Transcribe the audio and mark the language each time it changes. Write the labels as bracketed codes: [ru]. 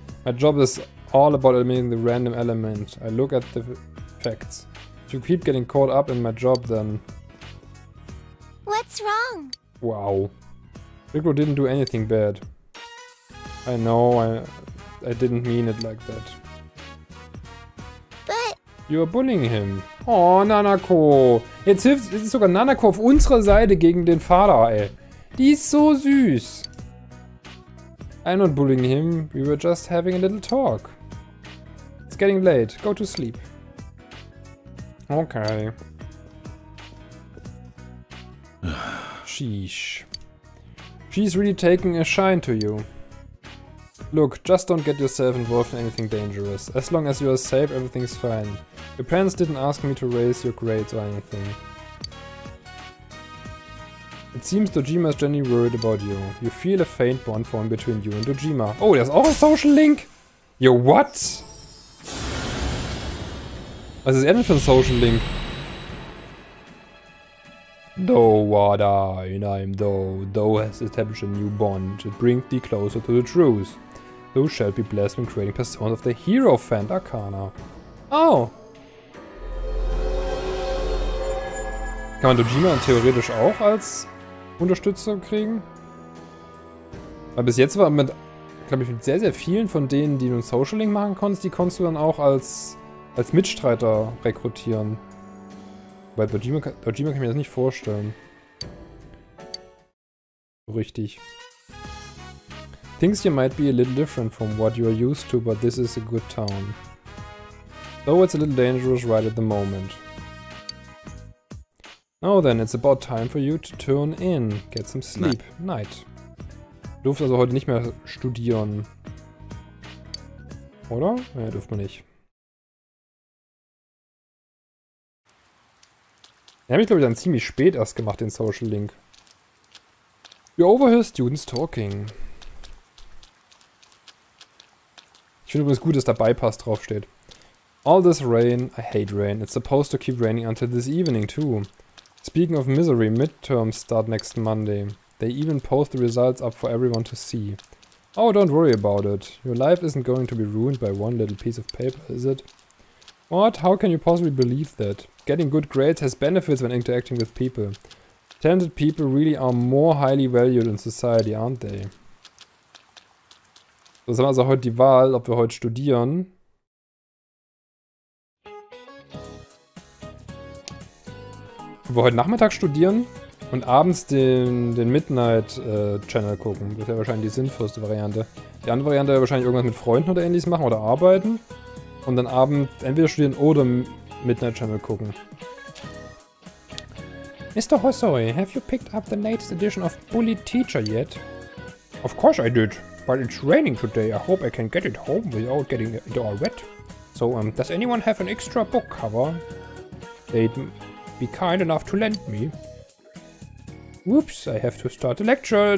[en] My job is all about eliminating the random element. I look at the facts. If you keep getting caught up in my job, then... What's wrong? Wow. Rikuro didn't do anything bad. I know, I didn't mean it like that. But... You are bullying him. Oh, Nanako. [de] Jetzt hilft es sogar Nanako auf unserer Seite gegen den Vater, ey. Die ist so süß. I'm not bullying him. [en] We were just having a little talk. It's getting late. Go to sleep. Okay. Sheesh. She's really taking a shine to you. Look, just don't get yourself involved in anything dangerous. As long as you are safe, everything's fine. Your parents didn't ask me to raise your grades or anything. It seems Dojima is genuinely worried about you. You feel a faint bond form between you and Dojima. Oh, there's auch a social link? Yo, what? [de] Was ist er denn für ein Social Link? [en] Do what I and I'm Do. Do has established a new bond to bring thee closer to the truth. Thou shalt be blessed when creating persona of the Hero Fant Arcana. Oh! [de] Kann man Dojima theoretisch auch als Unterstützer kriegen? Weil bis jetzt war mit, glaube ich, mit sehr, sehr vielen von denen, die du einen Social Link machen konntest, die konntest du dann auch als Mitstreiter rekrutieren. Weil Dojima kann ich mir das nicht vorstellen. Richtig. [en] Things here might be a little different from what you're used to, but this is a good town. Though it's a little dangerous right at the moment. Now then, it's about time for you to turn in. [de] Get some sleep. Night. Du durfst also heute nicht mehr studieren. Oder? Ja, dürft man nicht. Den habe ich, glaube ich, dann ziemlich spät erst gemacht, den Social Link. You overhear students talking. Ich finde übrigens gut, dass der Bypass draufsteht. [en] All this rain, I hate rain. It's supposed to keep raining until this evening, too. Speaking of misery, midterms start next Monday. They even post the results up for everyone to see. Oh, don't worry about it. Your life isn't going to be ruined by one little piece of paper, is it? What? How can you possibly believe that? Getting good grades has benefits when interacting with people. Talented people really are more highly valued in society, aren't they? [de] So, haben wir also heute die Wahl, ob wir heute studieren. Ob wir heute Nachmittag studieren und abends den Midnight-Channel gucken. Das wäre wahrscheinlich die sinnvollste Variante. Die andere Variante wäre wahrscheinlich irgendwas mit Freunden oder ähnliches machen oder arbeiten. Und dann Abend entweder studieren oder Midnight Channel gucken. [en] Mr. Hosoi, have you picked up the latest edition of Bully Teacher yet? Of course I did, but it's raining today. I hope I can get it home without getting it all wet. So, does anyone have an extra book cover? They'd be kind enough to lend me. Whoops, I have to start the lecture.